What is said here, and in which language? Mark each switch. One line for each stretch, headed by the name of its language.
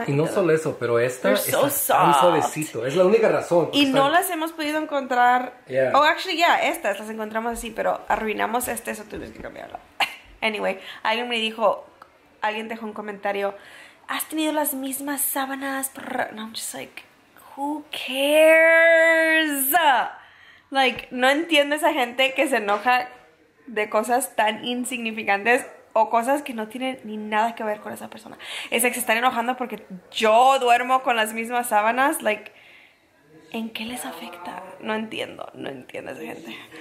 Spanish: Y no solo eso, pero esta está tan suavecito. Es la única razón. Y no las hemos podido encontrar.
English: Yeah. Oh, actually, yeah,
Spanish: estas las encontramos así, pero arruinamos este, eso tuvimos que cambiarlo. Anyway, alguien me dijo, alguien dejó un comentario, ¿has tenido las mismas sábanas?
English: No, I'm just like, who cares?
Spanish: Like, no entiendo esa gente que se enoja de cosas tan insignificantes o cosas que no tienen ni nada que ver con esa persona. Es que se están enojando porque yo duermo con las mismas sábanas. Like, ¿en qué les afecta? No entiendo, no entiendo esa gente.